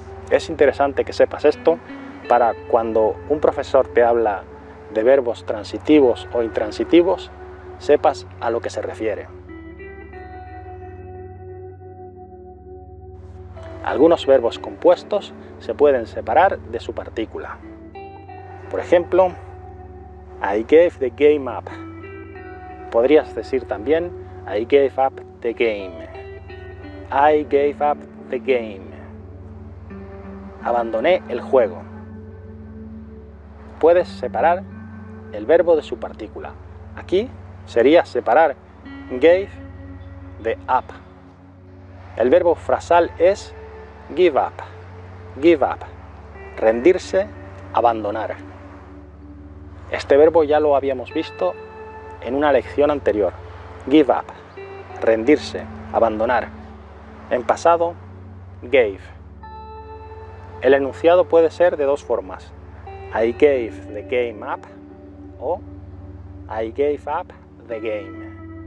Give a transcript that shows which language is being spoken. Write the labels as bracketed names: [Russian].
[Spanish] Es interesante que sepas esto para cuando un profesor te habla de verbos transitivos o intransitivos, sepas a lo que se refiere. Algunos verbos compuestos se pueden separar de su partícula. Por ejemplo, [English] I gave the game up. [Spanish] Podrías decir también, [English] I gave up the game. I gave up the game. [Spanish] abandoné el juego. Puedes separar el verbo de su partícula. Aquí sería separar gave de up. El verbo frasal es [English] give up. Give up. [Spanish] Rendirse, abandonar. Este verbo ya lo habíamos visto en una lección anterior. Give up. Rendirse, abandonar. En pasado, gave. El enunciado puede ser de dos formas. [English] I gave the game up o I gave up the game.